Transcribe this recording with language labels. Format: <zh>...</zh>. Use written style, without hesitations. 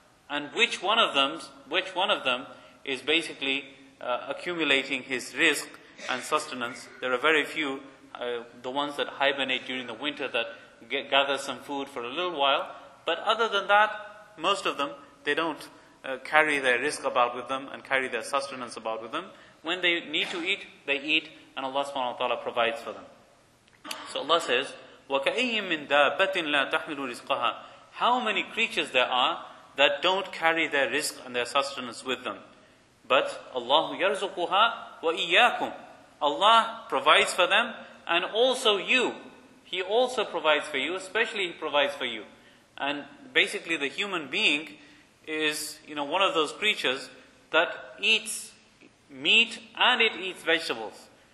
<en>And which one of them is basically accumulating his rizq and sustenance? There are very few. The ones that hibernate during the winter, that gather some food for a little while. But other than that, most of them, they don't carry their rizq about with them and carry their sustenance about with them. When they need to eat, they eat, and Allah subhanahu wa ta'ala provides for them. So Allah says,</en> <ar>وَكَأَيِّمْ مِنْ دَابَّةٍ لَا تَحْمِلُ رِزْقَهَا.</ar> <en>How many creatures there are that don't carry their rizq and their sustenance with them. But Allah</en> <ar>يَرْزُقُهَا وَإِيَّاكُمْ.</ar> <en>Allah provides for them, and also you. He also provides for you, especially He provides for you. And basically the human being is, you know, one of those creatures that eats meat and it eats vegetables.</en>